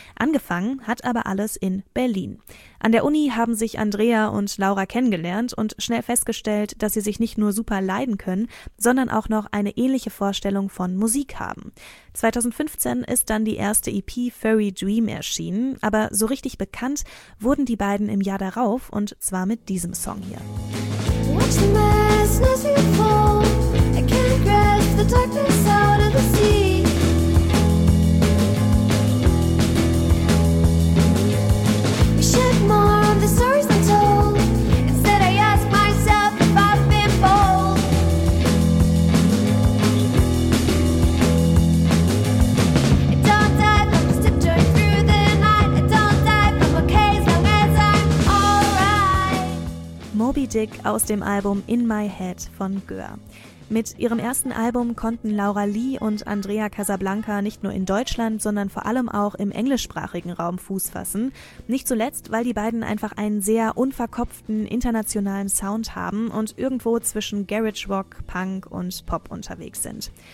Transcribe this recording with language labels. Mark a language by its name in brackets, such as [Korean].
[German] Angefangen hat aber alles in Berlin. An der Uni haben sich Andrea und Laura kennengelernt und schnell festgestellt, dass sie sich nicht nur super leiden können, sondern auch noch eine ähnliche Vorstellung von Musik haben. 2015 ist dann die erste EP Furry Dream erschienen, aber so richtig bekannt wurden die beiden im Jahr darauf und zwar mit diesem Song hier. [English] Watch the mess as you fall. I can't grasp the darkness out of the sea. We shed more of the stories than told. Instead, I ask myself if I've been bold. I don't dive, I'm just tiptoeing through the night. I don't dive, I'm okay as long as I'm alright. [German] Moby Dick aus dem Album In My Head von Gör. Mit ihrem ersten Album konnten Laura Lee und Andrea Casablanca nicht nur in Deutschland, sondern vor allem auch im englischsprachigen Raum Fuß fassen. Nicht zuletzt, weil die beiden einfach einen sehr unverkopften internationalen Sound haben und irgendwo zwischen Garage Rock, Punk und Pop unterwegs sind.